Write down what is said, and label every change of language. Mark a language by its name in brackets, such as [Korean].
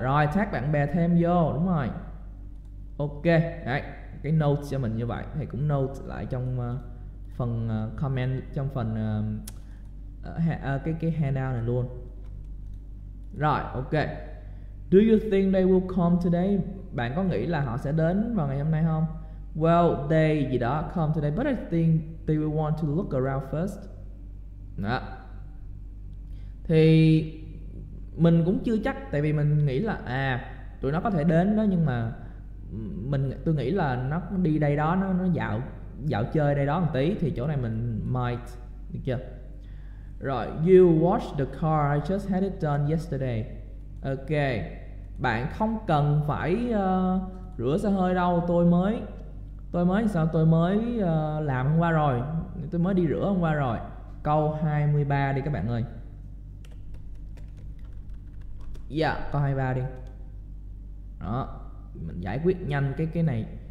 [Vietnamese] Rồi, tag bạn bè thêm vô, đúng rồi. Ok, đấy, cái note cho mình như vậy. Thầy cũng note lại trong phần comment, trong phần cái handout này luôn. Rồi, ok. [English] Do you think they will come today? [Vietnamese] Bạn có nghĩ là họ sẽ đến vào ngày hôm nay không? [English] Well, they [Vietnamese] gì đó [English] come today, but I think they will want to look around first. [Vietnamese] Đó. Thì mình cũng chưa chắc, tại vì mình nghĩ là tụi nó có thể đến đó, nhưng mà tôi nghĩ là nó đi đây đó, nó dạo chơi đây đó một tí, thì chỗ này mình might, được chưa? [English] Rồi, you wash the car, I just had it done yesterday. [Vietnamese] Ok, bạn không cần phải rửa xe hơi đâu, tôi mới làm hôm qua rồi, tôi mới đi rửa hôm qua rồi. Câu 23 đi các bạn ơi. Dạ, câu 23 đi. Đó, mình giải quyết nhanh cái này.